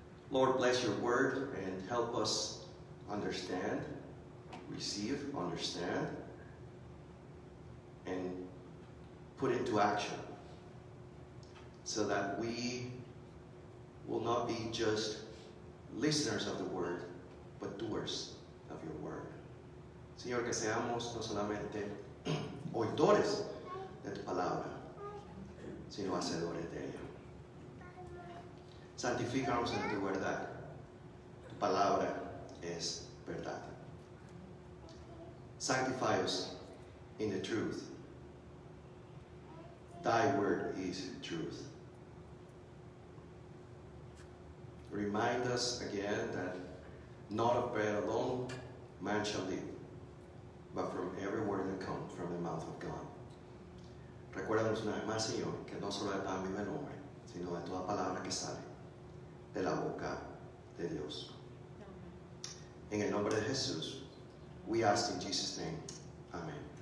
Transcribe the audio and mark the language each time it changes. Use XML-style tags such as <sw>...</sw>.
<en>Lord, bless your word and help us understand, receive, understand, and put into action so that we will not be just listeners of the word, but doers of your word.</en> <es>Señor, que seamos no solamente oidores de tu palabra, sino hacedores de ella. Santifícanos en tu verdad. Tu palabra es verdad.</es> <en>Sanctify us in the truth. Thy word is truth. Remind us again that not of bread alone man shall live, but from every word that comes from the mouth of God.</en> <es>Recuérdanos una vez más, Señor, que no solo de pan vive el hombre, sino de toda palabra que sale de la boca de Dios. En el nombre de Jesús,</es> <en>we ask in Jesus' name. Amen.</en>